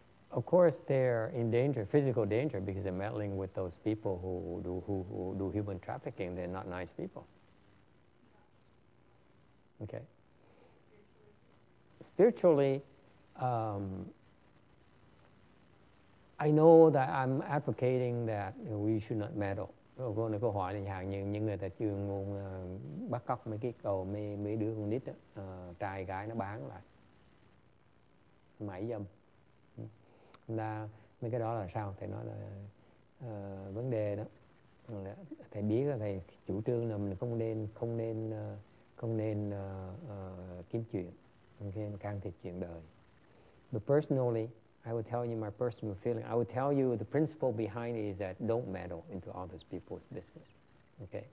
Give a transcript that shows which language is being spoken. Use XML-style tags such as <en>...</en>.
<en>Of course, they're in danger, physical danger, because they're meddling with those people who do human trafficking. They're not nice people. Okay. Spiritually, I know that I'm advocating that we should not meddle.</en> <vi>Cô này cô hỏi là chẳng như những người ta chuyên môn bắt cóc mấy cái cầu mấy đứa con nít đó, trai gái nó bán lại mãi dâm là mấy cái đó là sao thầy nói là vấn đề đó thầy biết là thầy chủ trương là mình không nên kiếm chuyện không nên can thiệp chuyện đời.</vi> <en>But personally I would tell you my personal feeling. I would tell you the principle behind it is that don't meddle into other people's business, okay?</en>